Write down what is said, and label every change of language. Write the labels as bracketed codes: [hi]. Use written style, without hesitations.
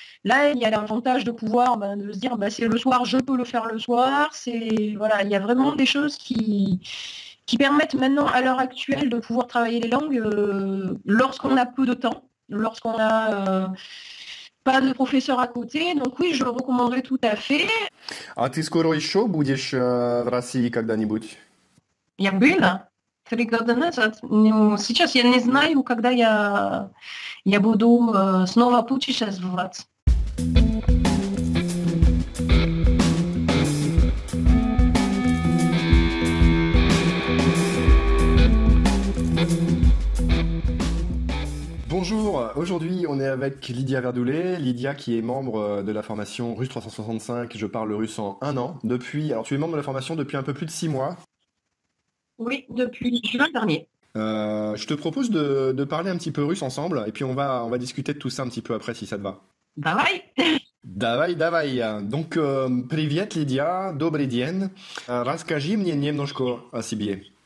[fr] Là, il y a l'avantage de pouvoir de se dire bah, c'est le soir, je peux le faire le soir. C'est, voilà, il y a vraiment des choses qui permettent maintenant, à l'heure actuelle, de pouvoir travailler les langues, lorsqu'on a peu de temps. Lorsqu'on n'a pas de professeur à côté, donc oui, je le recommanderais tout à fait. [ru] А ты скоро еще будешь в России когда-нибудь? Я была 3 года назад. Но сейчас я не знаю, когда я буду снова путешествовать. [fr] Bonjour, aujourd'hui on est avec Lydia Verdoulet, Lydia qui est membre de la formation Russe 365, je parle russe en un an, depuis, alors tu es membre de la formation depuis un peu plus de 6 mois. Oui, depuis juin dernier. Je te propose de parler un petit peu russe ensemble et puis on va discuter de tout ça un petit peu après si ça te va. [en] Bye-bye. [ru] Давай, давай. [fr] Donc, [ru] привет Lydia, добрый день. Расскажи мне немножко о себе.